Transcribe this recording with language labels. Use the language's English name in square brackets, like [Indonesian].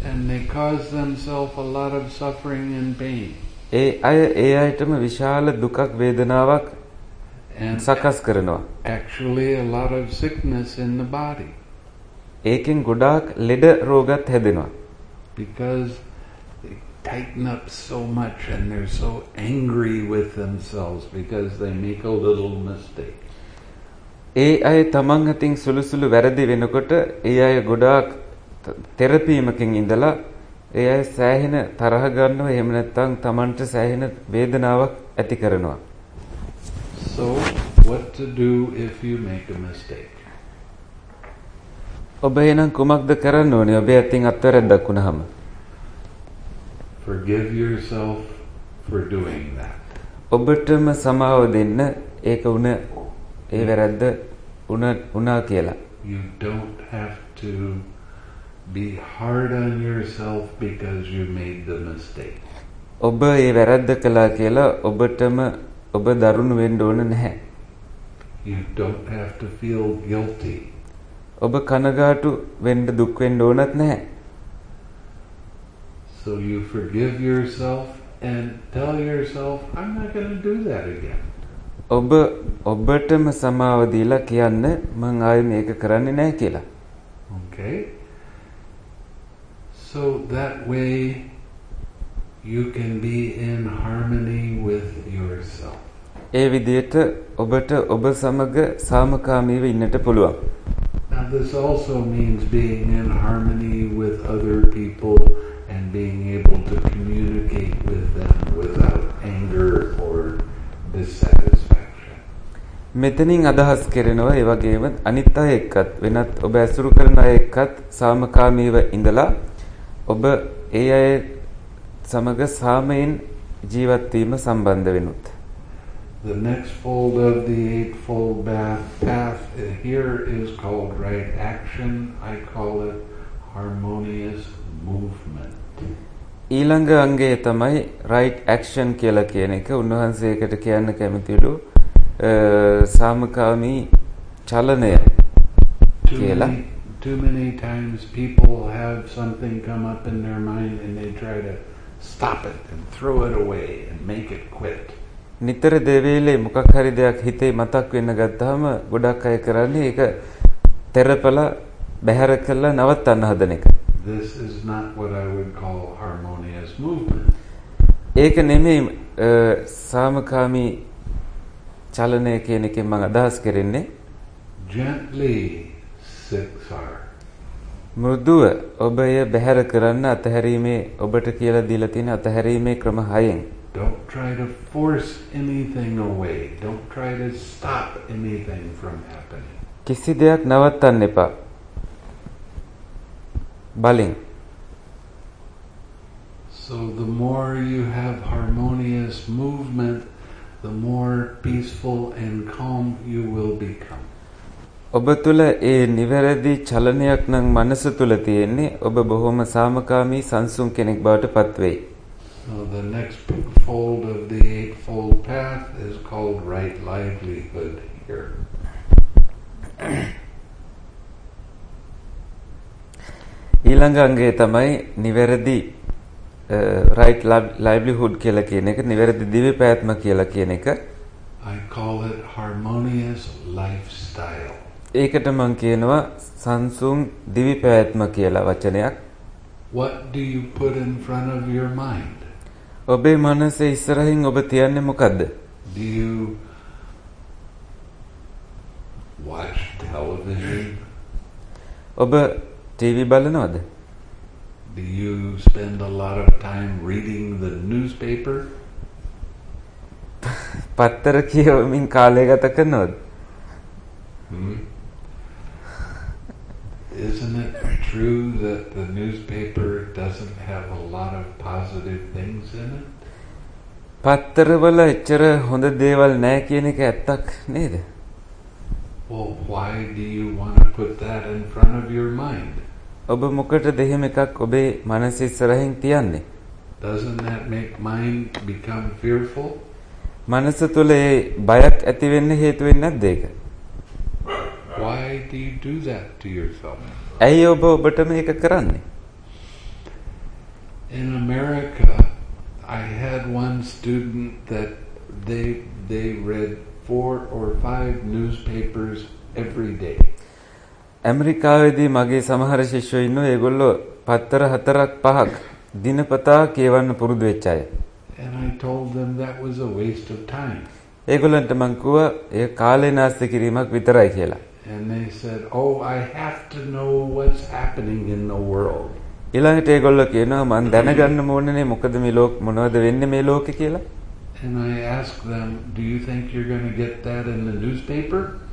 [English] And they cause themselves a lot of suffering and pain. [Sinhala] ඒ අයටම විශාල දුකක් වේදනාවක් සකස් කරනවා. [English] Actually a lot of sickness in the body. [Sinhala] ඒකෙන් ගොඩාක් ලෙඩ රෝගත් හැදෙනවා. [English] Because tighten up so much and they're so angry with themselves because they make a little mistake. [Sinhala] ඒ අය තමන් අතින් සුළුසුළු වැරදි වෙනකොට ඒ අය ගොඩාක් තෙරපීමකින් ඉඳලා ඒ අය සෑහෙන තරහ ගන්නවා. එහෙම නැත්නම් තමන්ට සෑහෙන වේදනාවක් ඇති කරනවා. [English] So what to do if you make a mistake? [Sinhala] ඔබ එහෙනම් කුමක්ද කරන්න ඕනේ ඔබ අතින් අත්වැරද්දක් වුණාම? [English] Forgive yourself for doing that. [Sinhala] ඔබටම සමාව දෙන්න ඒක වුණ ඒ වැරද්ද වුණා කියලා. [English] You don't have to be hard on yourself because you made the mistake. [Sinhala] ඔබ ඒ වැරද්ද කළා කියලා ඔබටම ඔබ දරුණු වෙන්න ඕන නැහැ. [English] You don't have to feel guilty. [Sinhala] ඔබ කනගාටු වෙන්න දුක් වෙන්න ඕනත් නැහැ. [English] So you forgive yourself and tell yourself, I'm not going to do that again. [Sinhala] ඔබටම සමාව දීලා කියන්න මං ආයේ මේක කරන්නේ නැහැ කියලා. [English] Okay. So that way you can be in harmony with yourself. [Sinhala] ඒ විදිහට ඔබට ඔබ සමග සාමකාමීව ඉන්නට පුළුවන්. [English] Now this also means being in harmony with other people. And being able to communicate with them without anger or dissatisfaction. [Sinhala] මෙතනින් අදහස් කරනවා ඒ වගේම අනිත් අය එක්කත් වෙනත් ඔබ ඇසුරු කරන අය එක්කත් සාමකාමීව ඉඳලා ඔබ ඒ අය සමග සාමයෙන් ජීවත් වීම සම්බන්ධ වෙනුත්. [English] The next fold of the eightfold path here is called right action. I call it harmonious movement. [Sinhala] ඊළඟ අංගය තමයි [English] right action [Sinhala] කියලා කියන එක. උන්වහන්සේකට කියන්න කැමතිලු සාමකාමී චලනය කියලා. [English] Too many times people have something come up in their mind and they try to stop it and throw it away and make it quit. [Sinhala] නිතර දෙවේලේ මොකක් හරි දෙයක් හිතේ මතක් වෙන්න ගත්තාම ගොඩක් අය කරන්නේ ඒක තෙරපලා බැහැර කරලා නවත්තන්න හදන එක. [English] This is not what I would call harmonious movement. [Sinhala] ඒක නෙමෙයි සාමකාමී චලනය කියන එකෙන් මම අදහස් කරන්නේ. [English] Gently sixar. [Sinhala] මෘදුව ඔබය බැහැර කරන්න අතහැරීමේ ඔබට කියලා දීලා තියෙන අතහැරීමේ ක්‍රම හයෙන්. [English] Don't try to force anything away. Don't try to stop anything from happening. [Sinhala] කිසි දෙයක් නවත්තන්න එපා. Baling. [English] So the more you have harmonious movement, the more peaceful and calm you will become. [Sinhala] ඔබ තුළ ඒ නිවැරදි චලනයක් නම් මනස තුළ තියෙන්නේ ඔබ බොහොම සාමකාමී සංසුන් කෙනෙක් බවට පත් වෙයි. [English] So the next fold of the Eightfold Path is called Right Livelihood here. [Sinhala] ඊළඟ අංගය තමයි නිවැරදි [English] right livelihood [Sinhala] කියලා කියන එක නිවැරදි දිව්‍ය පැවැත්ම කියලා කියන එක. [English] I call it harmonious lifestyle. [Sinhala] ඒකට මම කියනවා සංසුන් දිවි පැවැත්ම කියලා වචනයක්. [English] What do you put in front of your mind? [Sinhala] ඔබේ මනසේ ඉස්සරහින් ඔබ තියන්නේ මොකද්ද? [English] Do you watch television? [Sinhala] ඔබ TV බලනවද? [English] Do you spend a lot of time reading the newspaper? [Sinhala] පත්තර කියවමින් කාලය ගත කරනවද? [English] Isn't it true that the newspaper doesn't have a lot of positive things in it? [Sinhala] පත්තරවල එච්චර හොඳ දේවල් නැහැ කියන එක ඇත්තක් නේද? [English] Well, why do you want to put that in front of your mind? [Sinhala] ඔබ මොකටද එහෙම එකක් ඔබේ මනස ඉස්සරහින් තියන්නේ? [English] Doesn't that make mind become fearful? [Sinhala] මනස තුල ඒ බයක් ඇති වෙන්න හේතු වෙන්නේ නැද්ද ඒක? [English] Why do you do that to yourself? [Sinhala] ඇයි ඔබ ඔබට මේක කරන්නේ? [English] In America, I had one student that they read 4 or 5 newspapers every day. [Sinhala] ඇමරිකාවේදී මගේ සමහර ශිෂ්‍යෝ ඉන්නෝ ඒගොල්ලෝ පත්තර 4ක් 5ක් දිනපතා කියවන්න පුරුදු වෙච්ච අය. [English] And I told them that was a waste of time. [Sinhala] ඒගොල්ලන්ට මං කිව්වා ඒ කාලේ නාස්ති කිරීමක් විතරයි කියලා. [English] And they said, "Oh, I have to know what's happening in the world." [Sinhala] ඊළඟට ඒගොල්ලෝ කියනවා මං දැනගන්න ඕනේනේ මොකද මේ ලෝක මොනවද වෙන්නේ මේ ලෝකේ කියලා. [English] And I asked them, "Do you think you're going to get that in the newspaper?"